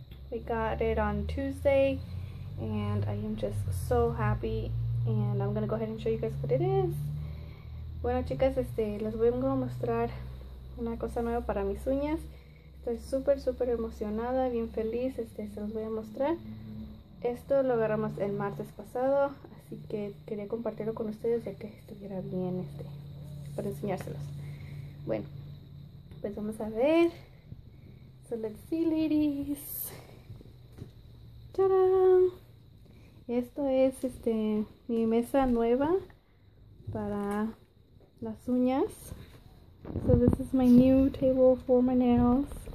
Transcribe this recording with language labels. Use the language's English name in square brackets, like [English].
[English] We got it on Tuesday, and I am just so happy, and I'm gonna go ahead and show you guys what it is. [Spanish] Bueno chicas, les voy a mostrar una cosa nueva para mis uñas. Estoy super emocionada, bien feliz, se los voy a mostrar. Esto lo agarramos el martes pasado, así que quería compartirlo con ustedes ya que estuviera bien para enseñárselos. Bueno, pues vamos a ver. [English] So let's see, ladies. [Spanish] ¡Tarán! Esto es mi mesa nueva para las uñas. [English] So this is my new table for my nails.